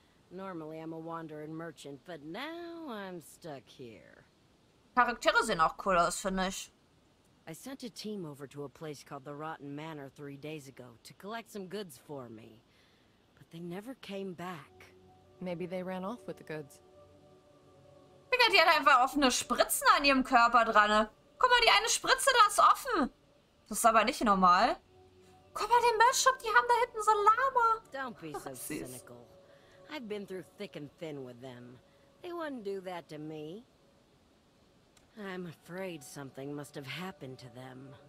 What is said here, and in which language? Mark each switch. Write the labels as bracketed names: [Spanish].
[English] Normally I'm a wandering merchant, but now I'm stuck here. [German] Charaktere sehen auch cool aus, finde ich. [English] I sent a team over to a place called the Rotten Manor 3 days ago to collect some goods for me. But they never came back. Maybe they ran off with the goods. [German] Digga, die hat einfach offene Spritzen an ihrem Körper dran. Guck mal, die eine Spritze da ist offen. Das ist aber nicht normal. Guck mal, den Merch-Shop, die haben da hinten so Lama. [English] Don't be so cynical. I've been through thick and thin with them. They wouldn't do that to me. I'm afraid something must have happened to them.